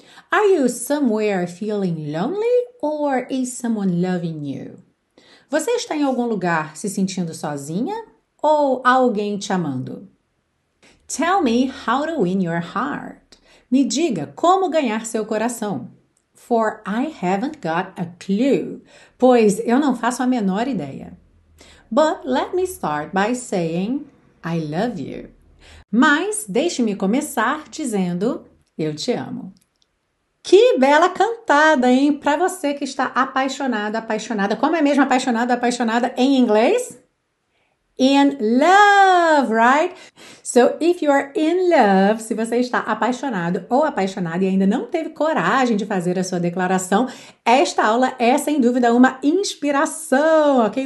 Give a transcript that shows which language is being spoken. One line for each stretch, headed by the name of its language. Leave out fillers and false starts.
English: Are you somewhere feeling lonely or is someone loving you?
Portuguese: Você está em algum lugar se sentindo sozinha ou alguém te amando?
English: Tell me how to win your heart.
Portuguese: Me diga como ganhar seu coração.
English: For I haven't got a clue.
Portuguese: Pois eu não faço a menor ideia.
English: But let me start by saying I love you.
Portuguese: Mas deixe-me começar dizendo eu te amo. Que bela cantada, hein? Para você que está apaixonada, apaixonada. Como é mesmo apaixonada, apaixonada em inglês?
English: in love, right? So if you are in love,
Portuguese: se você está apaixonado ou apaixonada e ainda não teve coragem de fazer a sua declaração, esta aula é sem dúvida uma inspiração, ok?